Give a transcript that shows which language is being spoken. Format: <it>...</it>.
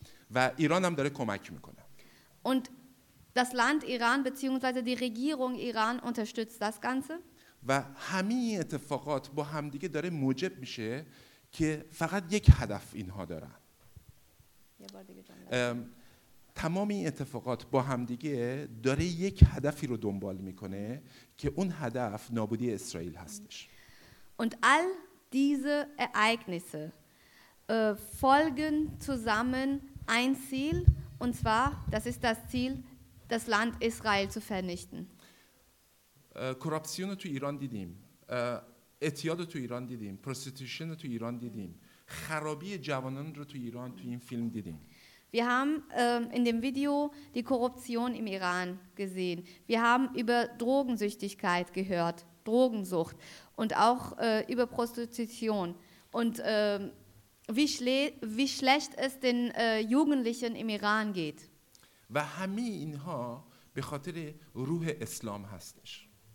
<fa>و ایران هم داره کمک میکنه.</fa> <de>Und das Land Iran bzw. die Regierung Iran unterstützt das Ganze.</de> <fa>و همه اتفاقات با هم دیگه داره موجب میشه که فقط یک هدف اینها دارن. تمام این اتفاقات با هم دیگه داره یک هدفی رو دنبال میکنه که اون هدف نابودی اسرائیل هستش.</fa> <de>Und all diese Ereignisse folgen zusammen ein Ziel. Und zwar, das ist das Ziel, das Land Israel zu vernichten. Korruption in Iran</de> <fa>دیدیم. اعتیاد تو ایران دیدیم. Prostitution تو ایران دیدیم. خرابی جوانان رو تو ایران تو این فیلم دیدیم.</fa> <de>Wir haben in dem Video die Korruption im Iran gesehen. Wir haben über Drogensüchtigkeit gehört, Drogensucht und auch über Prostitution und wie schlecht es den Jugendlichen im Iran geht.</de> <fa>و همه اینها به خاطر روح اسلام هستش.</fa>